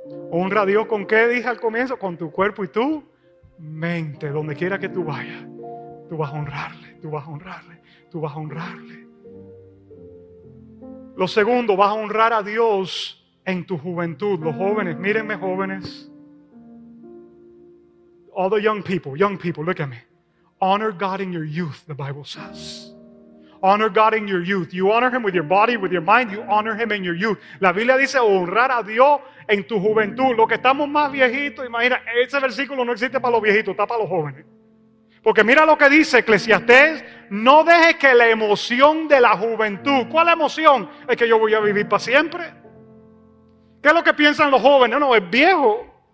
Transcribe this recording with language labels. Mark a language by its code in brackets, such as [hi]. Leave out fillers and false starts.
[es] Honra a Dios con qué, dije al comienzo, con tu cuerpo y tu mente. Donde quiera que tú vayas, tú vas a honrarle, tú vas a honrarle, tú vas a honrarle. Lo segundo, vas a honrar a Dios en tu juventud. Los jóvenes, mírenme, jóvenes. [en] All the young people, look at me. Honor God in your youth, the Bible says. Honor God in your youth. You honor Him with your body, with your mind. You honor Him in your youth. [es] La Biblia dice honrar a Dios en tu juventud. Lo que estamos más viejitos, imagina, ese versículo no existe para los viejitos, está para los jóvenes. Porque mira lo que dice Eclesiastés, no dejes que la emoción de la juventud, ¿cuál emoción? Es que yo voy a vivir para siempre. ¿Qué es lo que piensan los jóvenes? No, es viejo.